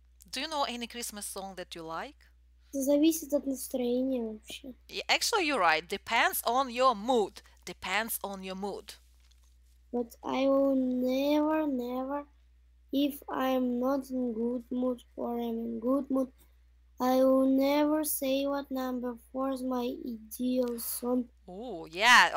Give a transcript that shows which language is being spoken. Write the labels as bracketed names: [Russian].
[English] Do you know any Christmas song that you like? [Russian] Зависит от настроения вообще. [English] Yeah, actually, you're right. Depends on your mood. Depends on your mood. But I will never, never, if I'm not in good mood or I'm in good mood, I will never say what number 4 is my ideal song. Oh, yeah.